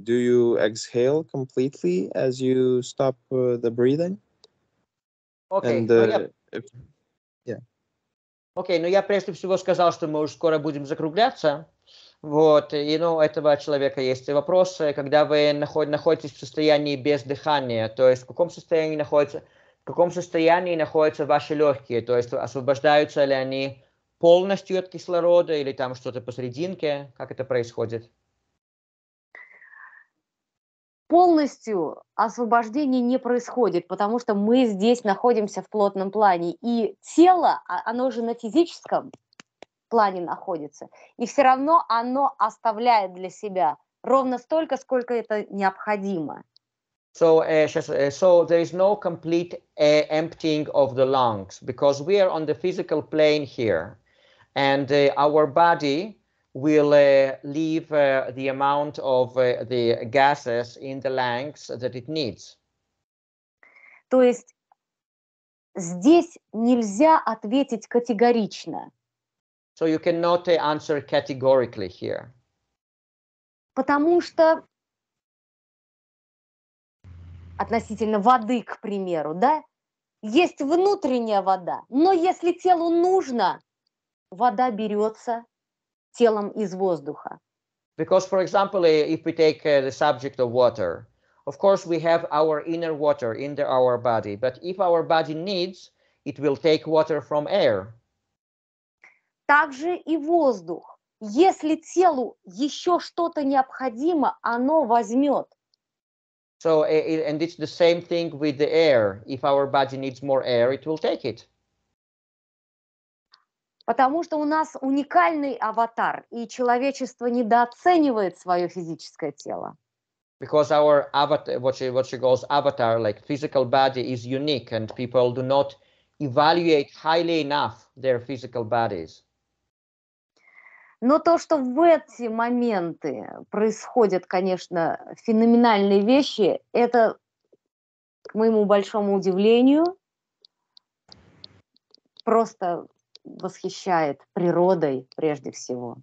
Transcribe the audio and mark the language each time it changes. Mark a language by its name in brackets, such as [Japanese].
[English] Do you exhale completely as you stop the breathing? Okay. And, [Russian] Окей, ну я прежде всего сказал, что мы уже скоро будем закругляться. Вот, и ну, у этого человека есть вопросы, когда вы находитесь в состоянии без дыхания, то есть в каком состоянии находятся ваши легкие, то есть освобождаются ли они полностью от кислорода или там что-то посерединке, как это происходит? Полностью освобождение не происходит, потому что мы здесь находимся в плотном плане, и тело, оно же на физическом плане находится, и все равно оно оставляет для себя ровно столько, сколько это необходимо. [English] So there is no complete emptying of the lungs, because we are on the physical plane here, and our body will leave the amount of the gases in the lungs that it needs. [Russian] То есть здесь нельзя ответить категорично. [English] So you cannot answer categorically here. [Russian] Потому что относительно воды, к примеру, да, есть внутренняя вода, но если телу нужно, вода берется телом из воздуха. [English] Because, for example, if we take the subject of water, of course, we have our inner water in our body, but if our body needs, it will take water from air. [Russian] Также и воздух. Если телу еще что-то необходимо, оно возьмет. [English] So, and it's the same thing with the air. If our body needs more air, it will take it. [Russian] Потому что у нас уникальный аватар, и человечество недооценивает свое физическое тело. [English] Because our avatar, what she calls avatar, like physical body, is unique, and people do not evaluate highly enough their physical bodies. [Russian] Но то, что в эти моменты происходят, конечно, феноменальные вещи, это, к моему большому удивлению, просто восхищает природой прежде всего.